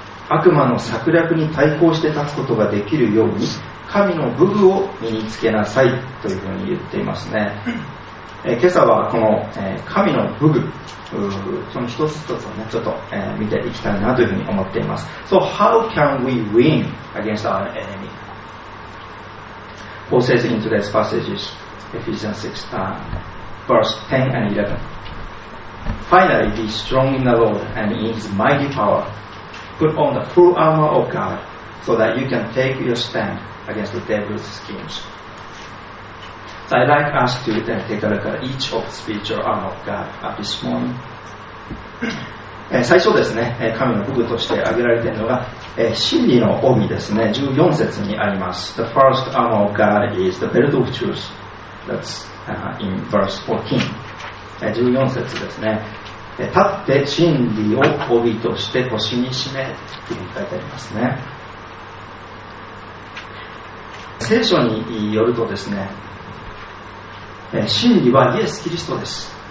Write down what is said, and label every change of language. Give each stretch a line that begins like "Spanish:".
Japanese: 悪魔の策略に対抗して立つことができるように、神の武具を身につけなさいというふうに言っていますね。今朝はこの神の武具、その一つ一つをね、ちょっと見ていきたいなというふうに思っています。
English: So how can we win against our enemy? Paul says in today's passages, Ephesians 6, verse 10 and 11, Finally be strong in the Lord and in his mighty power. Put on the full armor of God so that you can take your stand against the devil's schemes. So I'd like us to then take a look at each of the spiritual arm of God at this morning.
Japanese: 最初ですね、神の武具として挙げられているのが、真理の帯ですね、14節にあります。
English: The first arm of God is the belt of truth. That's in verse 14.
Japanese: 14節ですね。立って真理を帯として腰に締めというふうに書いてありますね。聖書によるとですね、真理はイエス・キリストです。